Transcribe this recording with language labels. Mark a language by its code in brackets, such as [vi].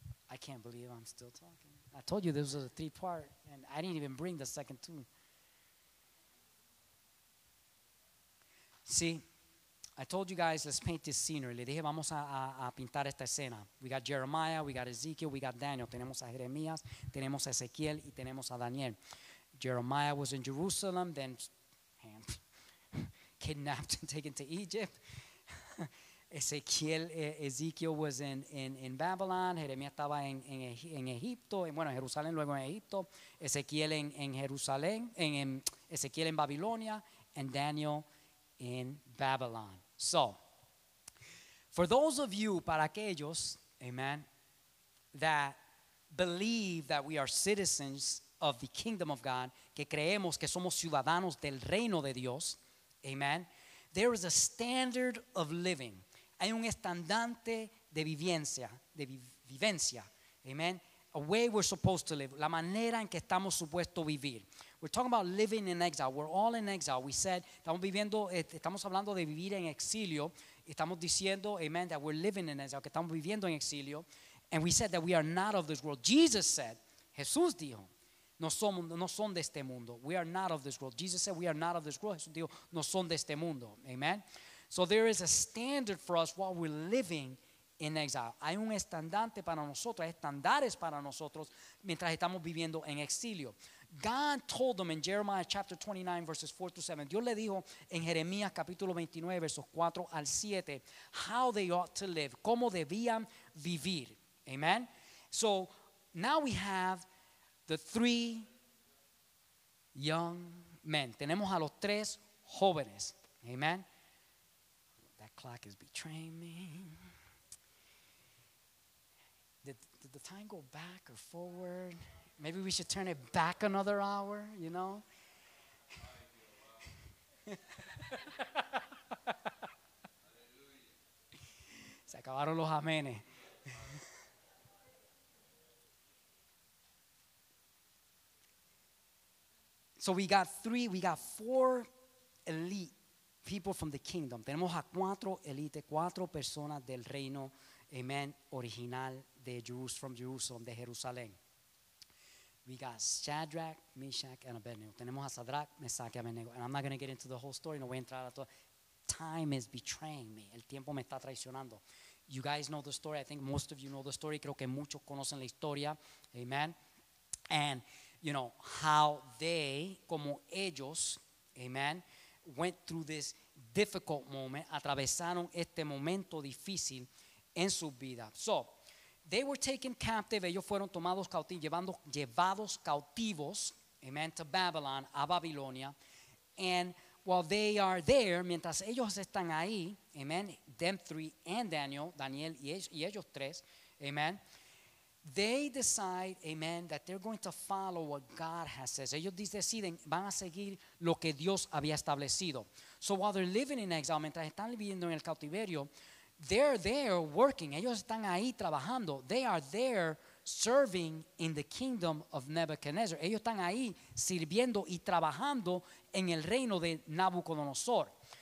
[en] I can't believe I'm still talking. I told you this was a three part, and I didn't even bring the second two. See, I told you guys, let's paint this scenery. [es] Le dije, vamos a pintar esta escena. [en] We got Jeremiah, we got Ezekiel, we got Daniel. [es] Tenemos a Jeremías, tenemos a Ezequiel, y tenemos a Daniel. [en] Jeremiah was in Jerusalem, then kidnapped and taken to Egypt. Ezekiel was in Babylon. [es] Jeremías estaba en Egipto. Bueno, en Jerusalén, luego en Egipto. Ezequiel en Jerusalén. Ezequiel en Babilonia. [en] And Daniel in Babylon. So, for those of you, [es] para aquellos, [en] amen, that believe that we are citizens of the kingdom of God, [es] que creemos que somos ciudadanos del reino de Dios, [en] amen, there is a standard of living. [es] Hay un estandarte de vivencia, amen, [en] a way we're supposed to live, [es] la manera en que estamos supuestos vivir. [en] We're talking about living in exile. We're all in exile. We said, [es] estamos hablando de vivir en exilio. Estamos diciendo, amen, [en] that we're living in exile, [es] que estamos viviendo en exilio. [en] And we said that we are not of this world. Jesus said, [es] Jesús dijo, no son de este mundo. [en] We are not of this world. Jesus said, we are not of this world. [es] Jesús dijo, no son de este mundo. [en] Amen. So there is a standard for us while we're living in exile. [es] Hay un estandarte para nosotros, hay estandares para nosotros mientras estamos viviendo en exilio. [en] God told them in Jeremiah chapter 29, verses 4 to 7. [es] Dios le dijo en Jeremías capítulo 29, versos 4 al 7, [en] how they ought to live, [es] cómo debían vivir. Amen. [en] So now we have the three young men. [es] Tenemos a los tres jóvenes. Amen. [en] That clock is betraying me. Did the time go back or forward? Maybe we should turn it back another hour, you know? [es] Se acabaron los amenes. [en] So we got four elite people from the kingdom. [es] Tenemos a cuatro elite, cuatro personas del reino, amen, original de Jerusalén. [en] We got Shadrach, Meshach, and Abednego. [es] Tenemos a Shadrach, Meshach, y Abednego. [en] And I'm not going to get into the whole story. [es] No voy a entrar a todo. [en] Time is betraying me. [es] El tiempo me está traicionando. [en] You guys know the story. I think most of you know the story. [es] Creo que muchos conocen la historia. [en] Amen. And, you know, how they, [es] como ellos, [en] amen, went through this difficult moment. [es] Atravesaron este momento difícil en su vida. [en] So, they were taken captive, [es] ellos fueron tomados cautivos, llevados cautivos, amen, [en] to Babylon, [es] a Babilonia. [en] And while they are there, [es] mientras ellos están ahí, [en] amen, them three and Daniel [es] y ellos tres, [en] amen, they decide, amen, that they're going to follow what God has said. [es] Ellos deciden, van a seguir lo que Dios había establecido. [en] So while they're living in exile, [es] mientras están viviendo en el cautiverio, [en] they're there working. [es] Ellos están ahí trabajando. [en] They are there serving in the kingdom of Nebuchadnezzar. [es] Ellos están ahí sirviendo y trabajando en el reino de Nabucodonosor.